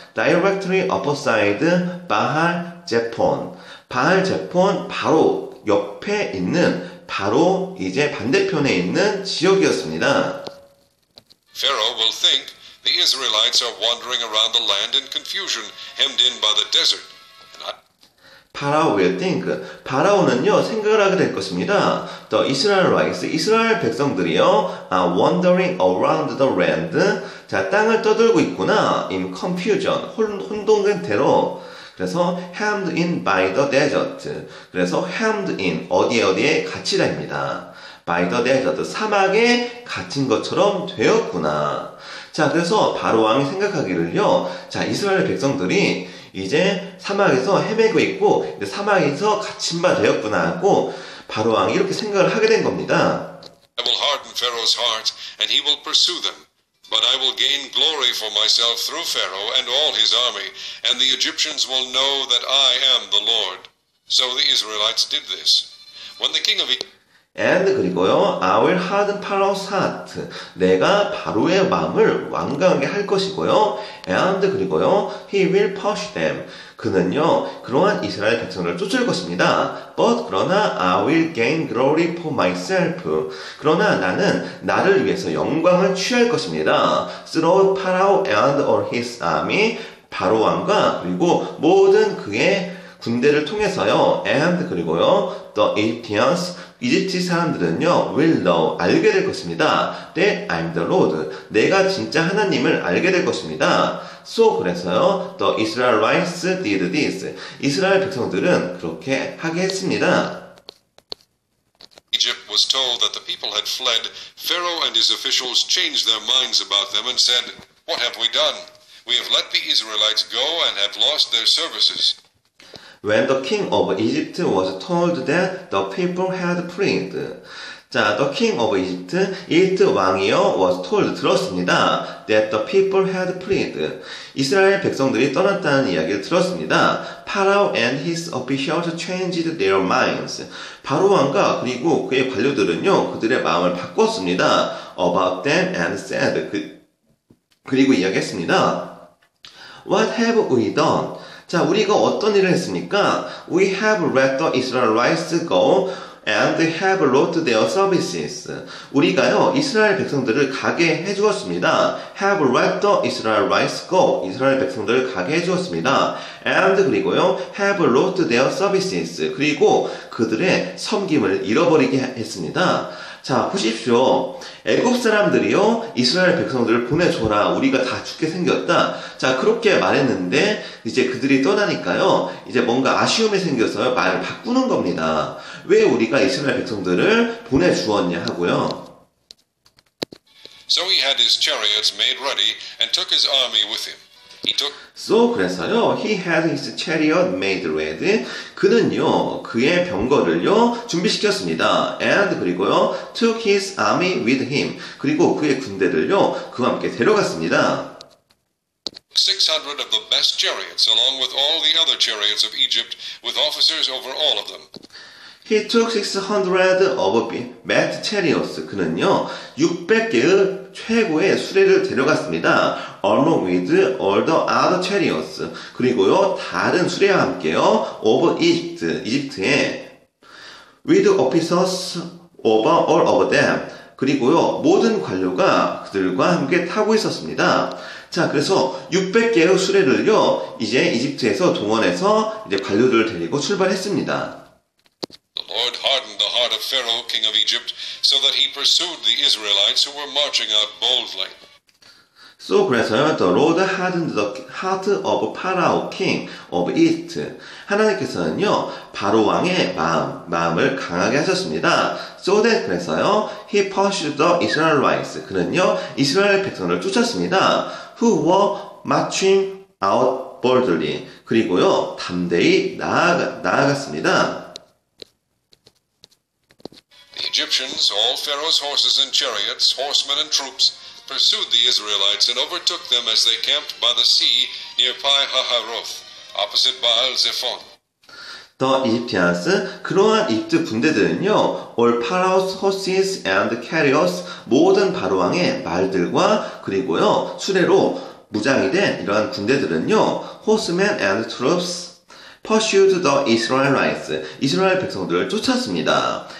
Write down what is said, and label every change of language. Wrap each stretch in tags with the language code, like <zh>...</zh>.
<en>Directly opposite Baal Zephon.</en> <ko>Baal Zephon 바로 옆에 있는, 바로 이제 반대편에 있는 지역이었습니다.</ko> <en>Pharaoh will think the Israelites are wandering around the land in confusion, hemmed in by the desert. Pharaoh will think.</en> <ko>파라오는요, 생각을 하게 될 것입니다.</ko> <en>The Israelites,</en> <ko>이스라엘 백성들이요,</ko> <en>are wandering around the land.</en> <ko>자, 땅을 떠돌고 있구나.</ko> <en>In confusion,</en> <ko>혼동된 대로. 그래서</ko> <en>hemmed in by the desert. 그래서 hemmed in,</en> <ko>어디에 어디에 갇히다입니다.</ko> <en>By the desert,</en> <ko>사막에 갇힌 것처럼 되었구나. 자, 그래서 바로왕이 생각하기를요, 자, 이스라엘 백성들이 이제 사막에서 헤매고 있고, 이제 사막에서 갇힌 바 되었구나 하고, 바로왕이 이렇게 생각을 하게 된 겁니다.</ko> <en>I will harden Pharaoh's heart, and he will pursue them. But I will gain glory for myself through Pharaoh and all his army, and the Egyptians will know that I am the Lord. So the Israelites did this. When the king of And</en> <ko>그리고요,</ko> <en>I will harden Pharaoh's heart.</en> <ko>내가 바로의 마음을 완강하게 할 것이고요.</ko> <en>And</en> <ko>그리고요,</ko> <en>he will push them.</en> <ko>그는요, 그러한 이스라엘 백성을 쫓을 것입니다.</ko> <en>But</en> <ko>그러나</ko> <en>I will gain glory for myself.</en> <ko>그러나 나는 나를 위해서 영광을 취할 것입니다.</ko> <en>Through Pharaoh and all his army,</en> <ko>바로왕과 그리고 모든 그의 군대를 통해서요.</ko> <en>And</en> <ko>그리고요,</ko> <en>the Egyptians.</en> <ko>이집트 사람들은요,</ko> <en>will know,</en> <ko>알게 될 것입니다.</ko> <en>That I'm the Lord.</en> <ko>내가 진짜 하나님을 알게 될 것입니다.</ko> <en>So,</en> <ko>그래서요,</ko> <en>the Israelites did this.</en> <ko>이스라엘 백성들은 그렇게 하게 했습니다.</ko> <en>Egypt was told that the people had fled. Pharaoh and his officials changed their minds about them and said, What have we done? We have let the Israelites go and have lost their services. When the king of Egypt was told that the people had fled. 자, the king of Egypt,</en> <ko>이집트 왕이요,</ko> <en>was told,</en> <ko>들었습니다.</ko> <en>That the people had fled.</en> <ko>이스라엘 백성들이 떠났다는 이야기를 들었습니다.</ko> <en>Pharaoh and his officials changed their minds.</en> <ko>바로왕과 그리고 그의 관료들은요, 그들의 마음을 바꿨습니다.</ko> <en>About them and said,</en> <ko>그리고 이야기했습니다.</ko> <en>What have we done?</en> <ko>자, 우리가 어떤 일을 했습니까?</ko> <en>We have let the Israelites go and have lost their services.</en> <ko>우리가요, 이스라엘 백성들을 가게 해주었습니다.</ko> <en>Have let the Israelites go.</en> <ko>이스라엘 백성들을 가게 해주었습니다.</ko> <en>And</en> <ko>그리고요,</ko> <en>have lost their services.</en> <ko>그리고 그들의 섬김을 잃어버리게 했습니다. 자, 보십시오. 애굽 사람들이요, 이스라엘 백성들을 보내줘라. 우리가 다 죽게 생겼다. 자, 그렇게 말했는데, 이제 그들이 떠나니까요, 이제 뭔가 아쉬움이 생겨서요, 말을 바꾸는 겁니다. 왜 우리가 이스라엘 백성들을 보내주었냐 하고요.</ko> <en>So he had his chariots made ready and took his army with him. So,</en> <ko>그래서요,</ko> <en>he had his chariot made ready.</en> <ko>그는요, 그의 병거를요, 준비시켰습니다.</ko> <en>And,</en> <ko>그리고요,</ko> <en>took his army with him.</en> <ko>그리고 그의 군대를요, 그와 함께 데려갔습니다.</ko> <en>600 of the best chariots, along with all the other chariots of Egypt, with officers over all of them. He took 600 of the best chariots.</en> <ko>그는요, 600개의 최고의 수레를 데려갔습니다.</ko> <en>Along with all the other chariots.</en> <ko>그리고요, 다른 수레와 함께요,</ko> <en>of Egypt,</en> <ko>이집트에.</ko> <en>With officers over all of them.</en> <ko>그리고요, 모든 관료가 그들과 함께 타고 있었습니다. 자, 그래서 600개의 수레를요, 이제 이집트에서 동원해서 이제 관료들을 데리고 출발했습니다.</ko> <en>The Lord hardened the heart of Pharaoh, king of Egypt, so that he pursued the Israelites who were marching out boldly. So,</en> <ko>그래서요,</ko> <en>the Lord hardened the heart of Pharaoh, king of Egypt.</en> <ko>하나님께서는요, 바로 왕의 마음을 강하게 하셨습니다.</ko> <en>So that,</en> <ko>그래서요,</ko> <en>he pursued the Israelites.</en> <ko>그는요, 이스라엘 백성을 쫓았습니다.</ko> <en>Who were marching out boldly.</en> <ko>그리고요, 담대히 나아갔습니다.</ko> <en>The Egyptians, all Pharaoh's horses and chariots, horsemen and troops, pursued the Israelites and overtook them as they camped by the sea near Pi Hahiroth, opposite Baal Zephon. The Egyptians,</en> <ko>그러한 이집트 군대들은요,</ko> <en>all Pharaoh's horses and chariots,</en> <ko>모든 바로왕의 말들과 그리고요, 수레로 무장이 된 이러한 군대들은요,</ko> <en>horsemen and troops, pursued the Israelites,</en> <ko>이스라엘 백성들을 쫓았습니다.</ko>